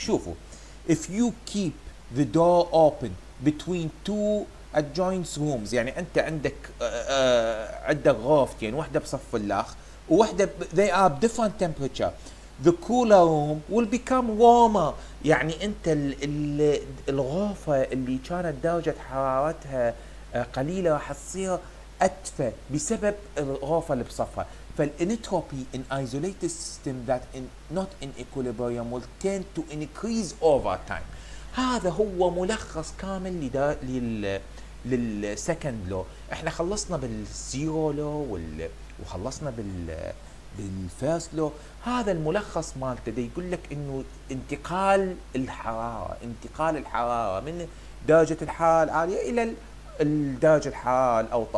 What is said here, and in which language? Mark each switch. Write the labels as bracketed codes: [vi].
[ar] شوفوا، [en] if you keep the door open between two adjoining rooms، [ar] يعني انت عندك عندك غرفتين، يعني واحده بصف الاخ وواحده [en] they are different temperature، the cooler room will become warmer، [ar] يعني انت الغرفه اللي كانت درجه حرارتها قليله راح تصير ادفى بسبب الغرفه اللي بصفها. [en] فالانتروبي in isolated system that in not in equilibrium will tend to increase over time. [ar] هذا هو ملخص كامل للسكند لو. احنا خلصنا بالزيرو لو وخلصنا بالفيرست لو. هذا الملخص مالته دي يقول لك انه انتقال الحراره، انتقال الحراره من درجه الحراره العاليه الى الدرجه الحراره الاوطى.